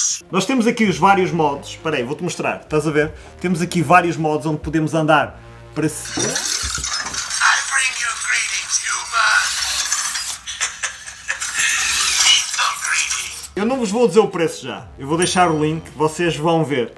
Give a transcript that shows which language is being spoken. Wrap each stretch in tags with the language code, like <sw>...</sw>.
<pt>Nós temos aqui os vários modos, espera aí, vou-te mostrar, estás a ver? Temos aqui vários modos onde podemos andar para si...</pt> <en>I bring you greetings, human. Lethal greeting.</en> <pt>Eu não vos vou dizer o preço já, eu vou deixar o link, vocês vão ver.</pt>